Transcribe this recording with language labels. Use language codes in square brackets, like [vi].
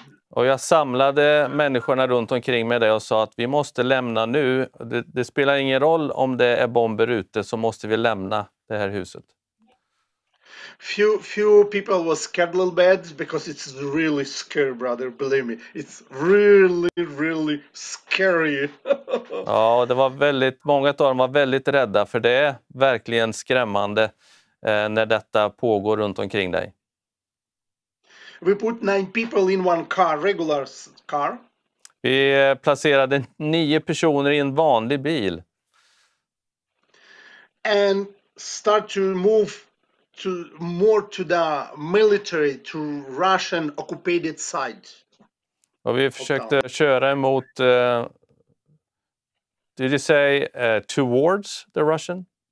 [sv] Och jag samlade människorna runt omkring med det och sa att vi måste lämna nu. Det spelar ingen roll om det är bomber ute, så måste vi lämna det här huset. [en] Few people was scared a little bit because it's really scary, brother. Believe me, it's really, really scary. [sv] Ja, det var väldigt många av dem var väldigt rädda, för det är verkligen skrämmande när detta pågår runt omkring dig. [en] We put 9 people in one car, regular car. [sv] Vi placerade 9 personer i en vanlig bil. [en] And start to move to more to the military, to Russian occupied side. [sv] Och vi försökte köra emot [en] did you say towards the Russian?